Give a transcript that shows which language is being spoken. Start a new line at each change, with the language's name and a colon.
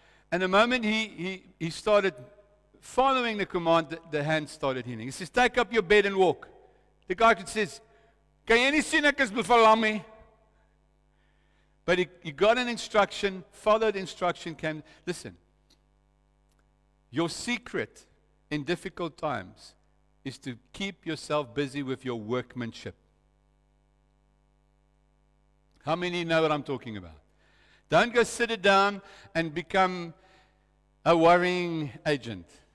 English: And the moment he started following the command, the hand started healing. He says, take up your bed and walk. The guy says,
Afrikaans: Kan jy nie sien ek is verlam nie?
English: But you got an instruction, followed instruction, came. Listen, your secret in difficult times is to keep yourself busy with your workmanship. How many know what I'm talking about? Don't go sit it down and become a worrying agent.